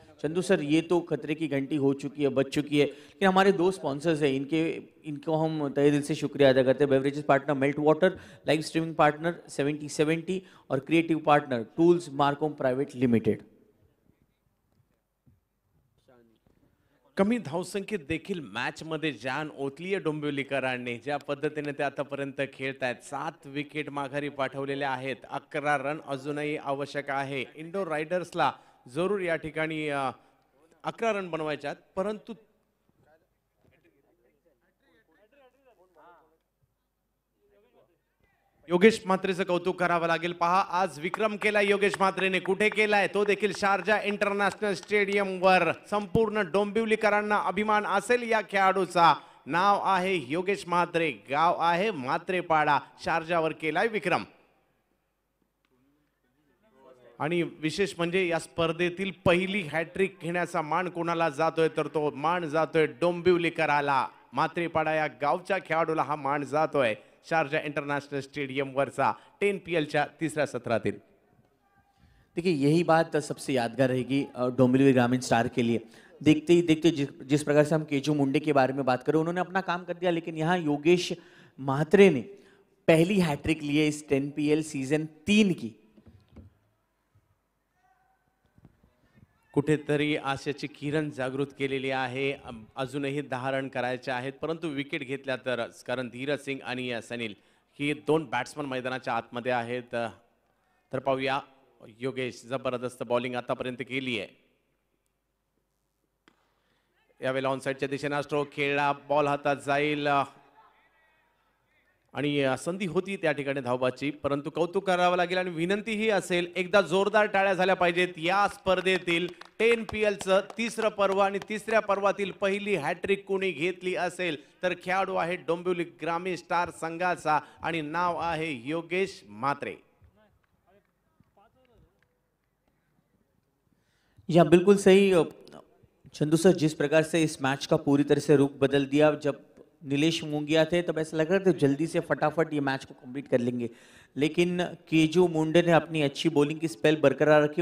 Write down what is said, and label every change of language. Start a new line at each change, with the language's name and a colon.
Hindi: Chandu sir, ये तो खतरे की घंटी हो चुकी है, बज चुकी है, लेकिन हमारे दो स्पॉन्सर्स हैं, इनको हम तहे दिल से शुक्रिया अदा करते हैं. Beverages partner melt water, live streaming partner 7070 और creative partner tools मार्कोम private limited.
Marathi: कमी धावसंख्येत देखील मॅचमध्ये जान ओतली आहे डोंबिवलीकरांनी. ज्या पद्धतीने ते आतापर्यंत खेळत आहेत, 7 विकेट माघारी पाठवलेल्या आहेत, 11 रन अजूनही आवश्यक आहे. इंडो रायडर्सला जरूर या ठिकाणी 11 रन बनवायचे आहेत, परंतु योगेश मात्रेचं कौतुक करावं लागेल. पहा आज विक्रम केला योगेश मात्रेने, कुठे केलाय तो देखील शारजा इंटरनॅशनल स्टेडियम वर. संपूर्ण डोंबिवलीकरांना अभिमान असेल या खेळाडूचा. नाव आहे योगेश मात्रे, गाव आहे मात्रेपाडा, शारजावर केलाय विक्रम. आणि विशेष म्हणजे या स्पर्धेतील पहिली हॅट्रिक घेण्याचा मान कोणाला जातोय, तर तो मान जातोय डोंबिवलीकराला. मात्रेपाडा या गावच्या खेळाडूला हा मान जातोय शारजा इंटरनॅशनल स्टेडियम वरचा 10 PL तिसऱ्या सत्रातील.
Hindi: देखिये यही बात सबसे यादगार रहेगी डोंबिवली ग्रामीण स्टार के लिए. देखते ही देखते जिस प्रकार से हम केजू मुंडे के बारे में बात करें, उन्होंने अपना काम कर दिया, लेकिन यहाँ योगेश मात्रे ने पहली हैट्रिक ली है इस 10 PL सीजन 3 की.
Marathi: कुठेतरी आशेची किरण जागृत केलेली आहे, अजूनही 10 रन करायचे आहेत, परंतु विकेट घेतल्या तरच. कारण धीरज सिंग आणि सनील ही दोन बॅट्समन मैदानाच्या आतमध्ये आहेत. तर पाहूया योगेश जबरदस्त बॉलिंग आतापर्यंत केली आहे. यावेळेला ऑन साईडच्या दिशेने स्ट्रोक खेळला, बॉल हातात जाईल आणि संधी होती त्या ठिकाणी धावबाची, परंतु कौतुक करावं लागेल. आणि विनंतीही असेल एकदा जोरदार टाळ्या झाल्या पाहिजेत या स्पर्धेतील 10 PL तिसरं पर्व. आणि तिसऱ्या पर्वातील पहिली हॅट्रिक कोणी घेतली असेल तर खेळाडू आहे डोंबिवली ग्रामीण स्टार संघाचा आणि नाव आहे योगेश मात्रे.
Hindi: या बिल्कुल सही चंदू सर, जिस प्रकार से इस मैच का पूरी तरह से रुख बदल दिया. जब निलेश मुंगिया थे तब ऐसा लग रहा था जल्दी से फटाफट ये मैच को कंप्लीट कर लेंगे, लेकिन केजू मुंडे ने अपनी अच्छी बॉलिंग की स्पेल बरकरार रखी.